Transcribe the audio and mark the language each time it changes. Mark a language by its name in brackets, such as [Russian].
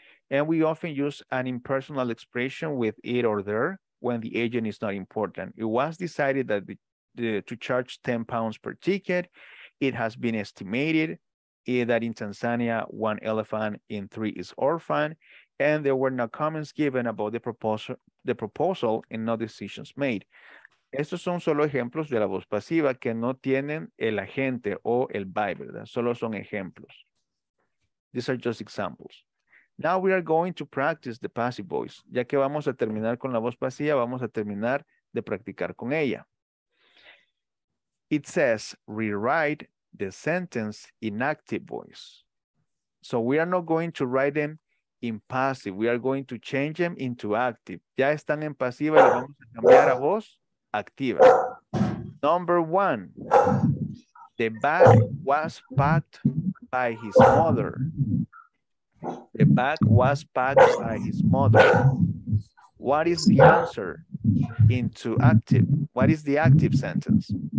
[English] And we often use an impersonal expression with it or there when the agent is not important. It was decided that to charge £10 per ticket. It has been estimated that in Tanzania, one elephant in three is orphaned, and there were no comments given about the proposal and no decisions made. [Spanish] Estos son solo ejemplos de la voz pasiva que no tienen el agente o el by, ¿verdad? Solo son ejemplos. [English] These are just examples. Now we are going to practice the passive voice. [Spanish] Ya que vamos a terminar con la voz pasiva, vamos a terminar de practicar con ella. [English] It says, rewrite the sentence in active voice. So we are not going to write them in passive. We are going to change them into active. [Spanish] Ya están en pasiva y vamos a cambiar a voz activa. [English] Number one, the bag was packed by his mother. The bag was packed by his mother. What is the answer into active? What is the active sentence?